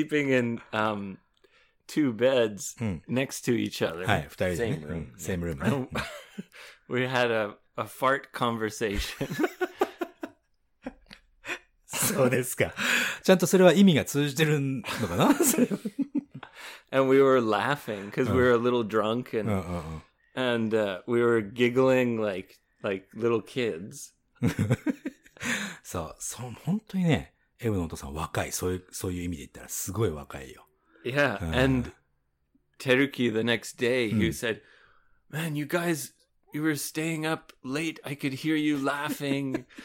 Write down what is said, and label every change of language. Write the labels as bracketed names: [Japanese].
[English] in two beds next to each other. [Japanese] はい、二人で。 [English] Same room. Same room. We had a fart conversation. [Japanese] そうですか。ちゃんとそれは意味が通じてるのかな？ [English] And we were laughing because we were a little drunk and we were giggling like little kids. [Japanese] そう、そう、本当にね。エブのお父さん若い、そういう意味で言ったらすごい若いよ。 [English] Yeah,、and Teruki the next day, he said, Man, you were staying up late, I could hear you laughing.